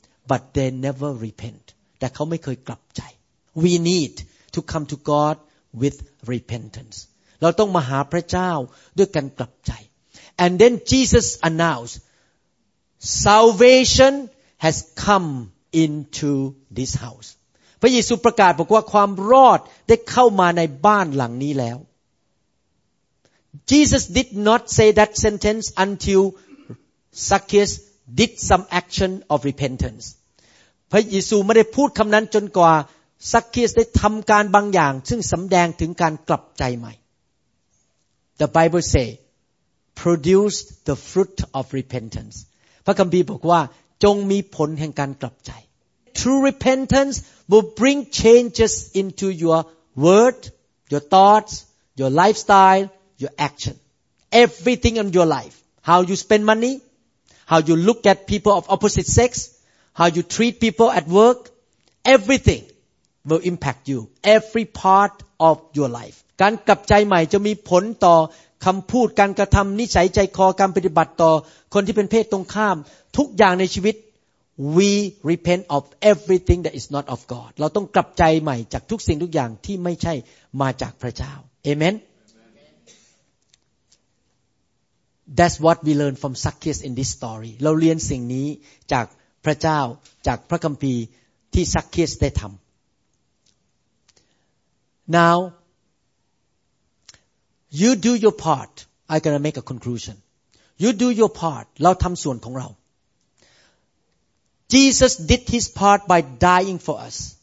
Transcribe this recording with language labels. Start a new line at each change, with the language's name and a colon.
English: But they never repent
Thai: แต่เขาไม่เคยกลับใจ
English: We need to come to God with repentance
Thai: เราต้องมาหาพระเจ้าด้วยการกลับใจ
English: And then Jesus announced salvation has comeinto this house
Thai: พระเยซูประกาศบอกว่าความรอดได้เข้ามาในบ้านหลังนี้แล้ว
English: Jesus did not say that sentence until Zacchaeus did some action of repentance.
Thai: พระเยซูไม่ได้พูดคำนั้นจนกว่าซักเคียสได้ทำการบางอย่างซึ่งสำแดงถึงการกลับใจใหม่
English: The Bible say produce the fruit of repentance.
Thai: พระคัมภีร์บอกว่าจงมีผลแห่งการกลับใจ
English: True repentance will bring changes into your word, your thoughts, your lifestyle, your action. Everything in your life. How you spend money, how you look at people of opposite sex, how you treat people at work, everything. Will impact you every part of your life.
Thai: การกลับใจใหม่จะมีผลต่อคำพูดการกระทำนิสัยใจคอการปฏิบัติต่อคนที่เป็นเพศตรงข้ามทุกอย่างในชีวิต
English: We repent of everything that is not of God.
Thai: เราต้องกลับใจใหม่จากทุกสิ่งทุกอย่างที่ไม่ใช่มาจากพระเจ้า Amen.
English: That's what we learn from Zacchaeus in this story.
Thai: เราเรียนสิ่งนี้จากพระเจ้าจากพระคัมภีร์ที่ Zacchaeus ได้ทำ
English: Now, you do your part. I'm going to make a conclusion. You do your part.
Thai: เราทำส่วนของเรา
English: Jesus did his part by dying for us.